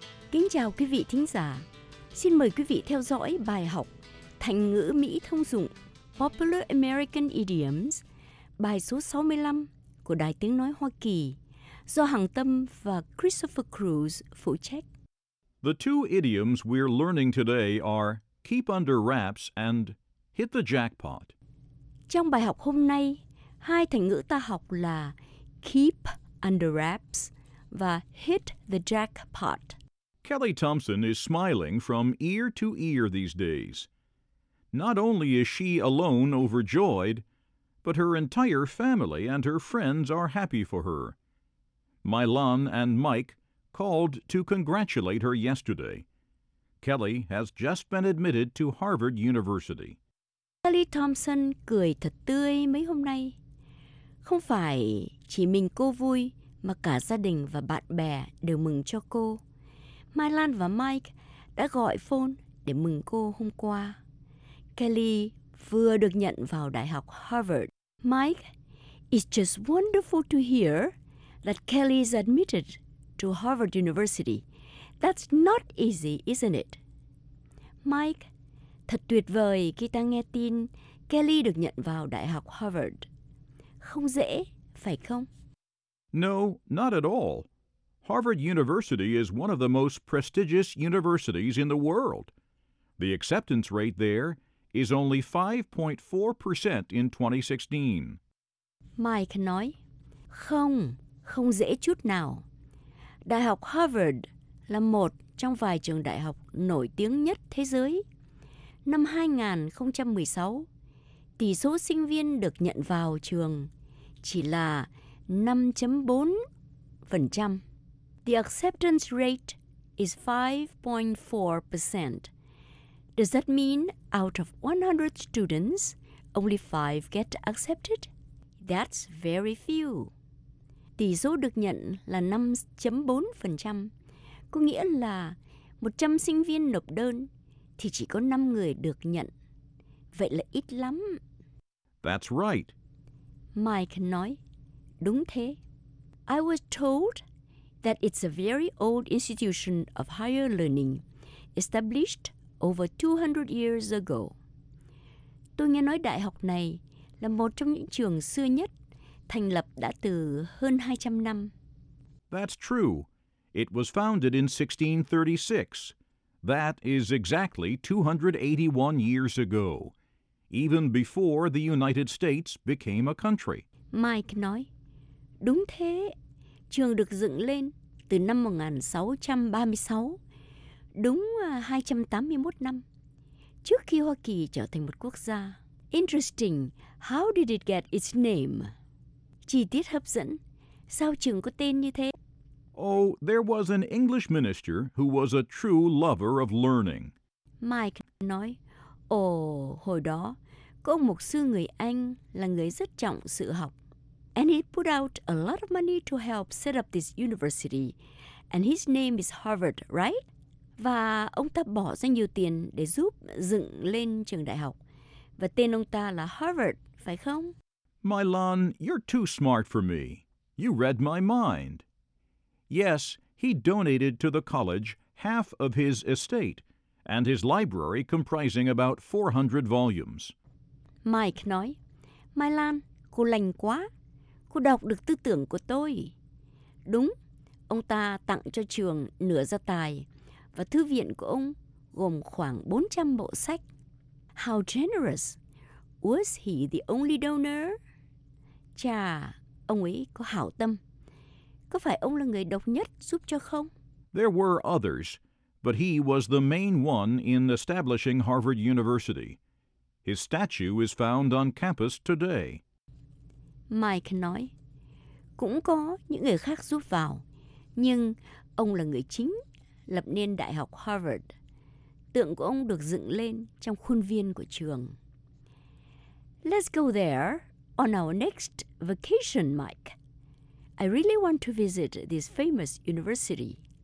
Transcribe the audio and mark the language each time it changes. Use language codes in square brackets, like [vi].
[vi] Kính chào quý vị thính giả. Xin mời quý vị theo dõi bài học thành ngữ Mỹ thông dụng [en] Popular American Idioms, [vi] bài số 65 của Đài Tiếng Nói Hoa Kỳ, do Hằng Tâm và Christopher Cruz phụ trách. [en] The two idioms we're learning today are keep under wraps and hit the jackpot. [vi] Trong bài học hôm nay, hai thành ngữ ta học là [en] keep under wraps [vi] và [en] hit the jackpot. Kelly Thompson is smiling from ear to ear these days. Not only is she alone overjoyed, but her entire family and her friends are happy for her. Mylon and Mike called to congratulate her yesterday. Kelly has just been admitted to Harvard University. [vi] Kelly Thompson cười thật tươi mấy hôm nay. Không phải chỉ mình cô vui, mà cả gia đình và bạn bè đều mừng cho cô. Mylon và Mike đã gọi phone để mừng cô hôm qua. Kelly vừa được nhận vào Đại học Harvard. [en] Mike, it's just wonderful to hear that Kelly is admitted to Harvard University. That's not easy, isn't it? [vi] Mike, thật tuyệt vời khi ta nghe tin Kelly được nhận vào Đại học Harvard. Không dễ, phải không? [en] No, not at all. Harvard University is one of the most prestigious universities in the world. The acceptance rate there is only 5.4% in 2016. [vi] Mike nói, không, không dễ chút nào. Đại học Harvard là một trong vài trường đại học nổi tiếng nhất thế giới. Năm 2016, tỷ số sinh viên được nhận vào trường chỉ là 5.4%. [en] The acceptance rate is 5.4%. Does that mean out of 100 students, only 5 get accepted? That's very few. [vi] Tỷ số được nhận là 5.4%, có nghĩa là 100 sinh viên nộp đơn thì chỉ có 5 người được nhận. Vậy là ít lắm. [en] That's right. [vi] Mike nói, đúng thế. [en] I was told that it's a very old institution of higher learning, established over 200 years ago. [vi] Tôi nghe nói đại học này là một trong những trường xưa nhất, thành lập đã từ hơn 200 năm. [en] That's true. It was founded in 1636. That is exactly 281 years ago, even before the United States became a country. [vi] Mike nói, đúng thế, trường được dựng lên từ năm 1636, đúng 281 năm, trước khi Hoa Kỳ trở thành một quốc gia. [en] Interesting, how did it get its name? [vi] Chi tiết hấp dẫn, sao trường có tên như thế? [en] Oh, there was an English minister who was a true lover of learning. [vi] Mike nói, hồi đó, có ông mục sư người Anh là người rất trọng sự học. [en] And he put out a lot of money to help set up this university. And his name is Harvard, right? [vi] Và ông ta bỏ ra nhiều tiền để giúp dựng lên trường đại học. Và tên ông ta là Harvard, phải không? [en] Mylon, you're too smart for me. You read my mind. Yes, he donated to the college half of his estate and his library comprising about 400 volumes. [vi] Mike nói, Mylon, cô lành quá. Cô đọc được tư tưởng của tôi. Đúng, ông ta tặng cho trường nửa gia tài và thư viện của ông gồm khoảng 400 bộ sách. [en] How generous! Was he the only donor? [vi] Chà, ông ấy có hảo tâm. Có phải ông là người độc nhất giúp cho không? [en] There were others, but he was the main one in establishing Harvard University. His statue is found on campus today. [vi] Mike nói, cũng có những người khác giúp vào, nhưng ông là người chính lập nên Đại học Harvard. Tượng của ông được dựng lên trong khuôn viên của trường. [en] Let's go there on our next vacation, Mike. I really want to visit this famous university.